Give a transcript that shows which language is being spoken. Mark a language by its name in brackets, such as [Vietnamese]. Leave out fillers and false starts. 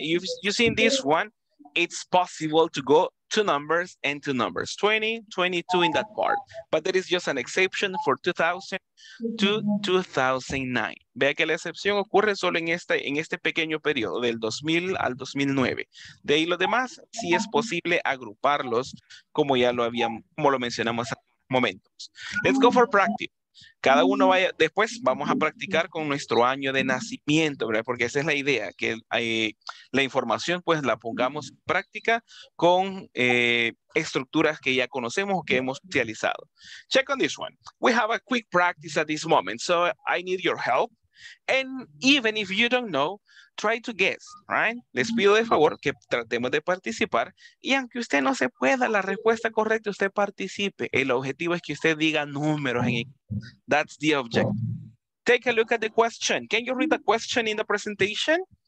[English] You see in this one, it's possible to go two numbers and two numbers, 20, 22 in that part. But there is just an exception for 2000 to 2009. [Spanish] Vea que la excepción ocurre solo en este pequeño periodo, del 2000 al 2009. De ahí lo demás, sí es posible agruparlos, como ya lo habíamos, como lo mencionamos hace momentos. [English] Let's go for practice. [Spanish] Cada uno vaya, después vamos a practicar con nuestro año de nacimiento, ¿verdad? Porque esa es la idea, que la información pues la pongamos en práctica con estructuras que ya conocemos o que hemos utilizado. [English] Check on this one. We have a quick practice at this moment, so I need your help. And even if you don't know, try to guess, right? [Spanish] Les pido de favor que tratemos de participar. Y aunque usted no se pueda la respuesta correcta, usted participe. El objetivo es que usted diga números en inglés. [English] That's the objective. Take a look at the question. Can you read the question in the presentation?